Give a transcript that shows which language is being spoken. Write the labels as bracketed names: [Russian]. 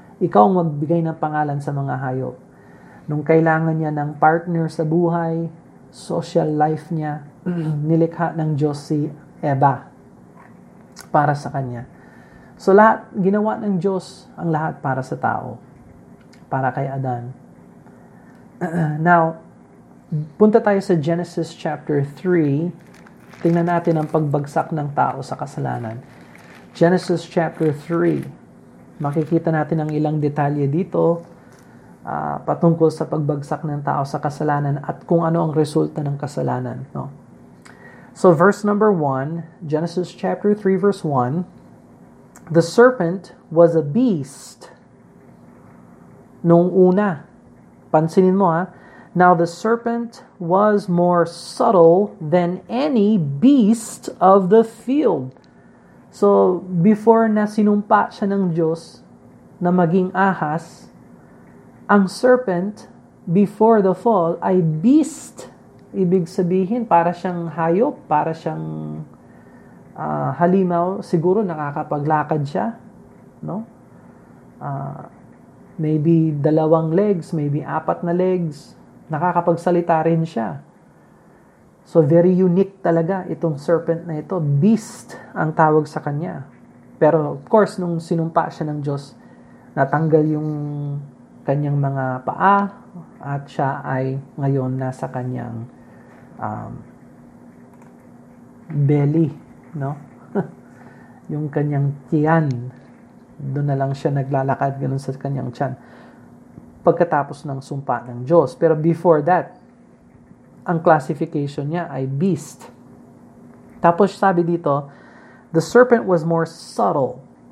[Filipino] Ikaw ang magbigay ng pangalan sa mga hayop. Nung kailangan niya ng partner sa buhay, social life niya, nilikha ng Diyos si Eva para sa kanya. So lahat, ginawa ng Diyos ang lahat para sa tao, para kay Adan. Now, punta tayo sa Genesis chapter 3. Tingnan natin ang pagbagsak ng tao sa kasalanan. Genesis chapter 3. Makikita natin ang ilang detalye dito patungkol sa pagbagsak ng tao sa kasalanan at kung ano ang resulta ng kasalanan, no? [English] So verse number 1, Genesis chapter 3 verse 1, the serpent was a beast nung una. Pansinin mo, ha? Now the serpent was more subtle than any beast of the field. [Filipino] So before na sinumpa siya ng Diyos na maging ahas, ang serpent, before the fall, ay beast. Ibig sabihin, para siyang hayop, para siyang halimaw. Siguro nakakapaglakad siya, no? Maybe dalawang legs, maybe apat na legs. Nakakapagsalita rin siya. So very unique talaga itong serpent na ito. Beast ang tawag sa kanya. Pero of course, nung sinumpa siya ng Diyos, natanggal yung kanyang mga paa at siya ay ngayon nasa kanyang belly, no? Yung kanyang tiyan, doon na lang siya naglalakad ganun sa kanyang tiyan pagkatapos ng sumpa ng Diyos. Pero before that, ang classification niya ay beast. Tapos sabi dito, the serpent was more subtle.